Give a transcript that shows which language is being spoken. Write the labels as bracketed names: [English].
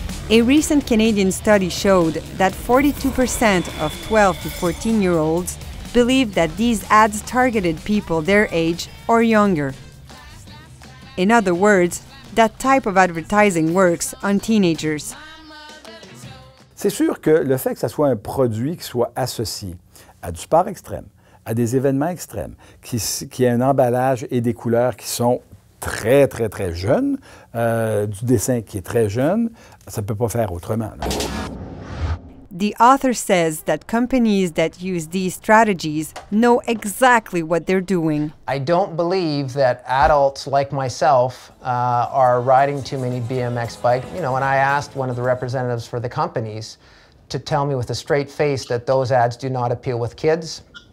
[English] A recent Canadian study showed that 42% of 12 to 14-year-olds believe that these ads targeted people their age or younger. In other words, that type of advertising works on teenagers. [French] C'est sûr que le fait que ça soit un produit qui soit associé à du sport extrême, à des événements extrêmes, qui a un emballage et des couleurs qui sont très, très, très jeune, du dessin qui est très jeune, ça ne peut pas faire autrement. Non? [English] The author says that companies that use these strategies know exactly what they're doing. I don't believe that adults like myself are riding too many BMX bikes. You know, and I asked one of the representatives for the companies to tell me with a straight face that those ads do not appeal with kids.